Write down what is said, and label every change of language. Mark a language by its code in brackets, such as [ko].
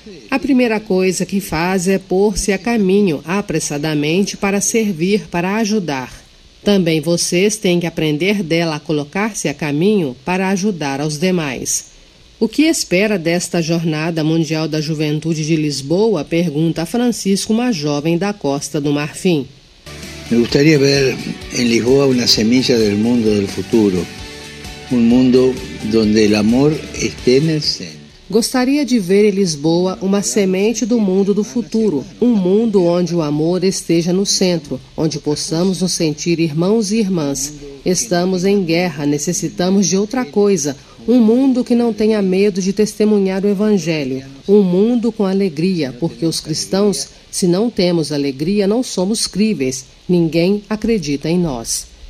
[pt] A primeira coisa que faz é pôr-se a caminho, apressadamente, para servir, para ajudar. Também vocês têm que aprender dela a colocar-se a caminho para ajudar aos demais. O que espera desta Jornada Mundial da Juventude de Lisboa? Pergunta Francisco, uma jovem da Costa do Marfim. [es] Me gustaría ver en Lisboa una semilla del mundo del futuro, un mundo donde el amor esté en el centro. [pt] Gostaria de ver em Lisboa uma semente do mundo do futuro, um mundo onde o amor esteja no centro, onde possamos nos sentir irmãos e irmãs. Estamos em guerra, necessitamos de outra coisa, um mundo que não tenha medo de testemunhar o Evangelho, um mundo com alegria, porque os cristãos, se não temos alegria, não somos críveis, ninguém acredita em nós.